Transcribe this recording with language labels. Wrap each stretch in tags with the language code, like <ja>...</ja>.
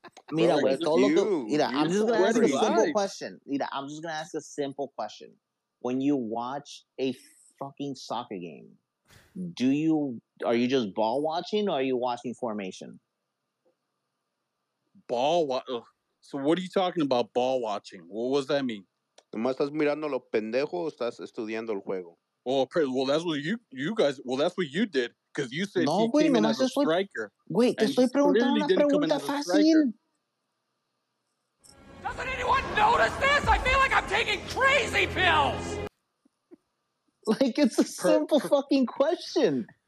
<en>I'm just going to ask a simple question. When you watch a fucking soccer game, are you just ball watching or are you watching formation? So what are you talking about, ball watching? What does that mean?</en> <es>¿Nomás estás mirando los pendejos o estás estudiando el juego?</es> <en>Well, that's what you did. Because you said he came in as a striker.</en> <es>Wait, te estoy preguntando una pregunta fácil.</es> <en>Doesn't anyone notice this? I feel like I'm taking crazy pills! Like, it's a simple fucking question.</en>